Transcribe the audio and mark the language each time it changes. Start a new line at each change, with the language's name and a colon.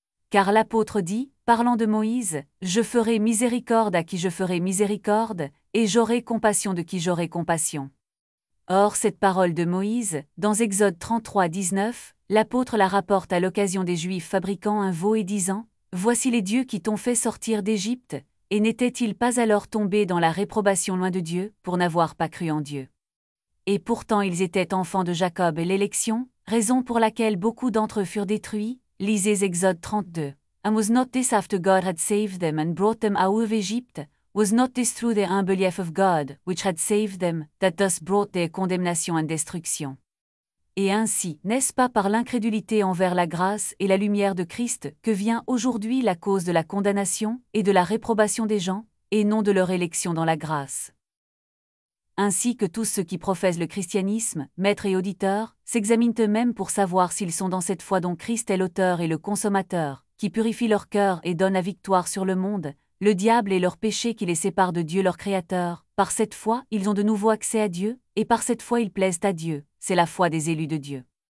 French: Car l'apôtre dit, parlant de Moïse, « Je ferai miséricorde à qui je ferai miséricorde, et j'aurai compassion de qui j'aurai compassion. » Or cette parole de Moïse, dans Exode 33:19, l'apôtre la rapporte à l'occasion des Juifs fabriquant un veau et disant « Voici les dieux qui t'ont fait sortir d'Égypte, et n'étaient-ils pas alors tombés dans la réprobation loin de Dieu pour n'avoir pas cru en Dieu ? Et pourtant ils étaient enfants de Jacob et l'élection, raison pour laquelle beaucoup d'entre eux furent détruits, lisez Exode 32.
English: « And was not this after God had saved them and brought them out of Egypt ?» Was not this through the unbelief of God, which had saved them, that thus brought their condemnation and destruction?
French: Et ainsi, n'est-ce pas par l'incrédulité envers la grâce et la lumière de Christ que vient aujourd'hui la cause de la condamnation et de la réprobation des gens, et non de leur élection dans la grâce? Ainsi que tous ceux qui professent le christianisme, maîtres et auditeurs, s'examinent eux-mêmes pour savoir s'ils sont dans cette foi dont Christ est l'auteur et le consommateur, qui purifie leur cœur et donne la victoire sur le monde, le diable et leur péché qui les séparent de Dieu leur Créateur, par cette foi ils ont de nouveau accès à Dieu, et par cette foi ils plaisent à Dieu, c'est la foi des élus de Dieu.